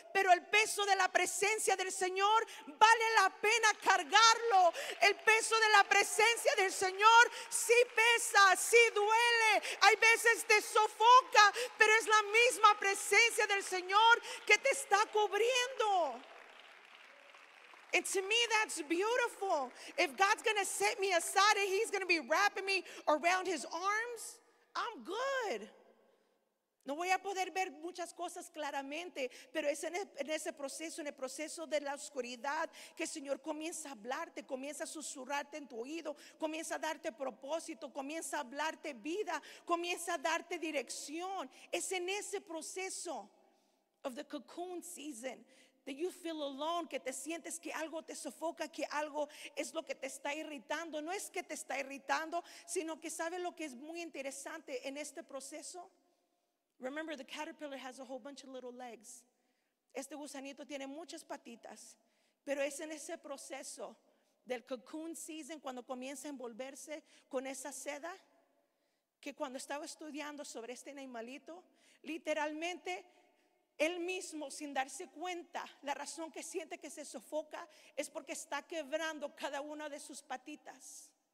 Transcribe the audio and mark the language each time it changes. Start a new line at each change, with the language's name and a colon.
Spanish: Pero el peso de la presencia del Señor vale la pena cargarlo. El peso de la presencia del Señor sí pesa, sí duele. Hay veces te sofoca, pero es la misma presencia del Señor que te está cubriendo.
English: And to me, that's beautiful. If God's going to set me aside and he's going to be wrapping me around his arms, I'm good.
Spanish: No voy a poder ver muchas cosas claramente, pero es en ese proceso, en el proceso de la oscuridad, que el Señor comienza a hablarte, comienza a susurrarte en tu oído, comienza a darte propósito, comienza a hablarte vida, comienza a darte dirección. Es en ese proceso
English: of the cocoon season that you feel alone,
Spanish: que te sientes que algo te sofoca, que algo es lo que te está irritando. No es que te está irritando, sino que sabes lo que es muy interesante en este proceso.
English: Remember, the caterpillar has a whole bunch of little legs.
Spanish: Este gusanito tiene muchas patitas, pero es en ese proceso del cocoon season, cuando comienza a envolverse con esa seda, que cuando estaba estudiando sobre este animalito, literalmente él mismo, sin darse cuenta, la razón que siente que se sofoca es porque está quebrando cada una de sus patitas.